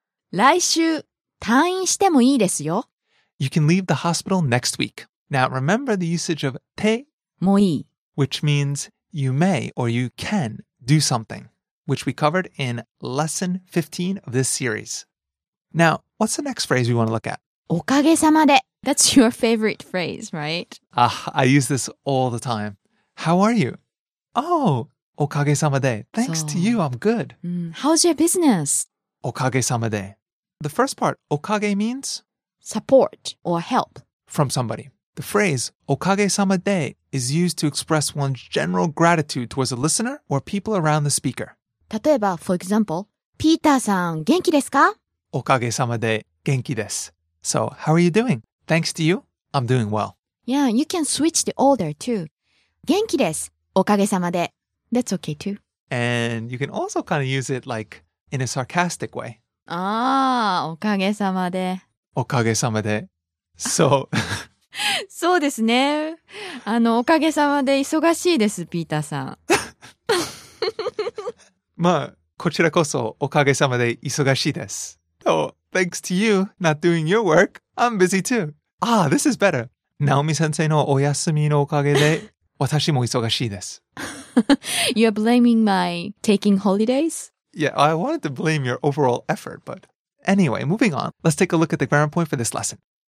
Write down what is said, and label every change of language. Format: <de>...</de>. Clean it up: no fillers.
<ja>来週、退院してもいいですよ。</ja> <en>You can leave the hospital next week. Now, remember the usage of て、</en> <ja>もいい。</ja> <en>Which means you may or you can do something. Which we covered in lesson 15 of this series. Now, what's the next phrase we want to look at? おかげさまで。That's your favorite phrase, right? I use this all the time. How are you? Oh! おかげさまで。 Thanks to you, I'm good.、 How's your business? おかげさまで。The first part, おかげ means? Support or help. From somebody. The phrase, おかげさまで is used to express one's general gratitude towards a listener or people around the speaker.</en> <ja>例えば、</ja> <en>for example,</en> <ja>ピーターさん、元気ですか? おかげさまで、元気です。</ja> <en>So, how are you doing? Thanks to you, I'm doing well. Yeah, you can switch the order too.</en> <ja>元気です。おかげさまで。</ja> <en>That's okay too. And you can also kind of use it like in a sarcastic way.</en> <ja>おかげさまで。おかげさまで。So, そうですね。おかげさまで忙しいです、ピーターさん。まあ、こちらこそおかげさまで忙しいです。</ja> <en>So, thanks to you not doing your work, I'm busy too. This is better.</en> <ja>Naomi-sensei のお休みのおかげで私も忙しいです。</ja> <en>You're blaming my taking holidays? Yeah, I wanted to blame your overall effort, but anyway, moving on. Let's take a look at the grammar point for this lesson.</en>